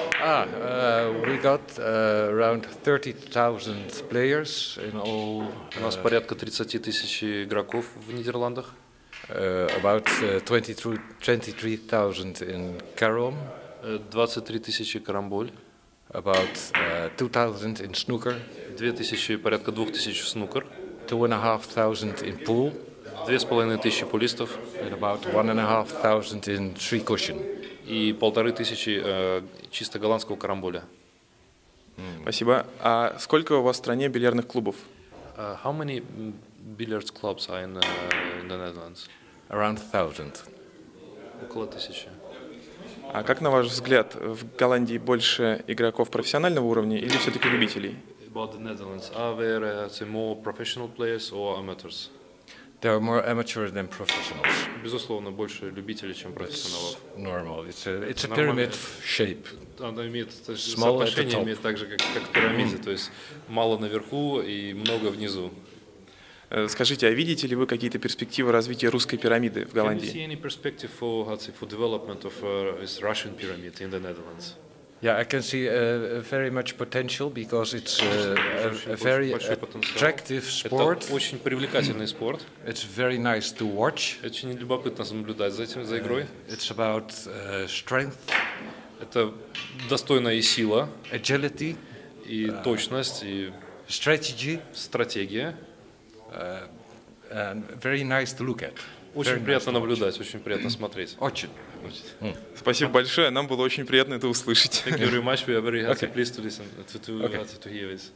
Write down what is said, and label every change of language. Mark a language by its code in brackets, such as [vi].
[en] We got around 30,000 players in all. [ru] У нас порядка 30,000 игроков в Нидерландах. [en] About 23,000 in Carom. [ru] 23,000 карамболь. [en] About 2,000 in snooker. [ru] 2,000 порядка 2,000 в снукер. [en] 2,500 in pool. [ru] 2,500 пулистов. [en] And about 1,500 in tree cushion. [ru] И 1,500 чисто голландского карамболя. Спасибо. А сколько у вас в стране бильярдных клубов? [en] How many billiards clubs are in the Netherlands? Around 1,000. [ru] Около 1,000. А как, на ваш взгляд, в Голландии больше игроков профессионального уровня или все-таки любителей? [en] About the Netherlands, are there more professional players or amateurs? There are more amateurs than professionals. [ru] Безусловно, больше любителей, чем профессионалов. [en] It's normal. It's a pyramid shape. [ru] Оно имеет соотношение, имеет так же, как в пирамиде, то есть мало наверху и много внизу. Скажите, а видите ли вы какие-то перспективы развития русской пирамиды в Голландии? [en] Can you see any perspective for development of this Russian pyramid in the Netherlands? Yeah, I can see very much potential because it's a very attractive sport. [ru] Это очень привлекательный спорт. [en] It's very nice to watch. [ru] Очень любопытно наблюдать за этим, за игрой. [en] It's about strength. [ru] Это достойная сила. [en] Agility. [ru] И точность, и [en] strategy. [ru] Стратегия. [en] And very nice to look at. [ru] Очень [en] very [ru] приятно [en] nice [ru] наблюдать, очень приятно смотреть. Очень. Спасибо большое, нам было очень приятно это услышать. [en] Thank you very much. We are very happy, pleased to listen to hear this.